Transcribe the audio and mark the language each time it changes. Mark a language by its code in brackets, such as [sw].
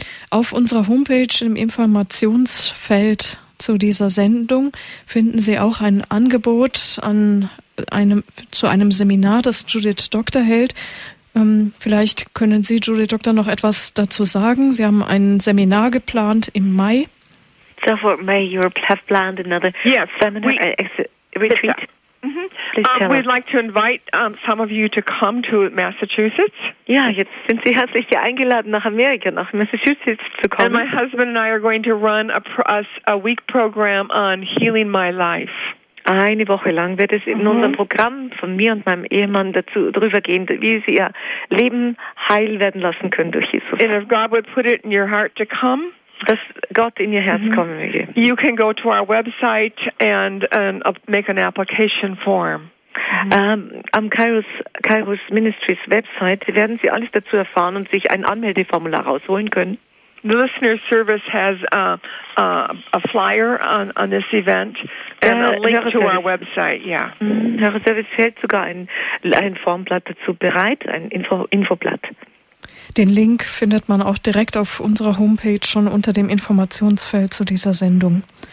[de] Auf unserer Homepage im Informationsfeld zu dieser Sendung finden Sie auch ein Angebot an zu einem Seminar, das Judith Doctor hält. Vielleicht können Sie, Judith Doctor, noch etwas dazu sagen. Sie haben ein Seminar geplant im Mai. [en] So for May, you have planned another seminar retreat. We'd like to invite some of you to come to Massachusetts. [de] Ja, jetzt sind Sie herzlich eingeladen, nach Amerika, nach Massachusetts zu kommen. [en] And my husband and I are going to run a week program on healing my life. [de] Eine Woche lang wird es in unserem Programm von mir und meinem Ehemann dazu drüber gehen, wie Sie Ihr Leben heil werden lassen können durch Jesus. [en] And if God would put it in your heart to come, [de] dass Gott in Ihr Herz kommen möge. [en] You can go to our website and make an application form. [de] Am Kairos Ministries Website werden Sie alles dazu erfahren und sich ein Anmeldeformular rausholen können. [en] The listener service has a flyer on this event and a link to our website. Yeah. [de] Hörer Service hält sogar ein Formblatt dazu bereit, ein Infoblatt. Den Link findet man auch direkt auf unserer Homepage schon unter dem Informationsfeld zu dieser Sendung.